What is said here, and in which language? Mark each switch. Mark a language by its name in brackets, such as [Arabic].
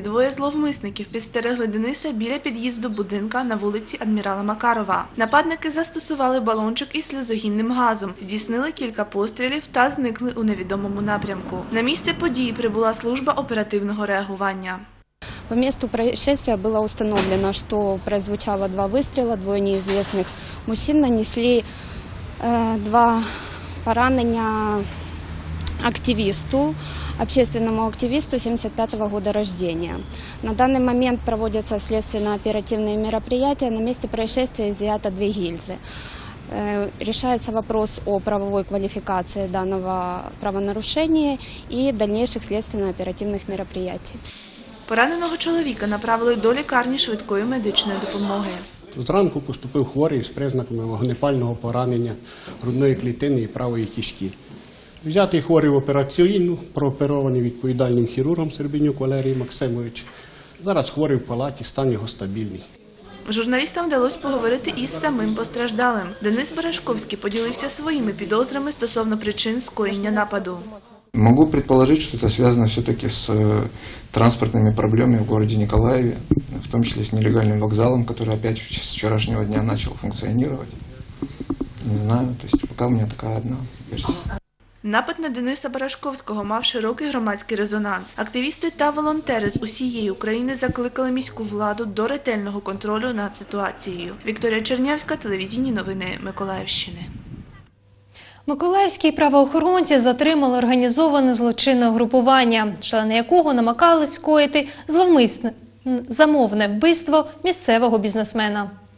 [Ukrainian] Двоє зловмисників підстерегли Дениса біля під'їзду будинка на вулиці Адмірала Макарова. Нападники застосували балончик із сльозогінним газом, здійснили кілька пострілів та зникли у невідомому напрямку. На місце події прибула служба оперативного реагування. [Russian] По месту происшествия было установлено, что прозвучало два выстрела, двое неизвестных мужчин нанесли два поранения активисту, общественному активисту 75-го года рождения. На данный момент проводятся следственно-оперативные мероприятия, на месте происшествия изъято две гильзы. решается вопрос о правовой квалификации данного правонарушения и дальнейших следственно-оперативных мероприятий. [Ukrainian] Пораненого чоловіка направили до лікарні швидкої медичної допомоги. Зранку поступив хворий з признаками вогнепального поранення грудної клітини і правої кістки. Взятий хворий в операційну, прооперований відповідальним хірургом Сербенюк Валерій Максимович. Зараз хворий в палаті, стан його стабільний. Журналістам вдалося поговорити із самим постраждалим. Денис Берешковський поділився своїми підозрами стосовно причин скоєння нападу. [Russian] Могу предположить, что это связано все-таки с транспортными проблемами в городе Николаеве, в том числе с нелегальным вокзалом, который опять с вчерашнего дня начал функционировать. Не знаю, то есть пока у меня такая одна версия. [Ukrainian] Напад на Дениса Берешковського мав широкий громадський резонанс. Активісти та волонтери з усієї України закликали міську владу до ретельного контролю над ситуацією. Вікторія Чернявська, телевізійні новини Миколаївщини. Миколаївські правоохоронці затримали організоване злочинне угрупування, члени якого намагались скоїти зловмисне замовне вбивство місцевого бізнесмена.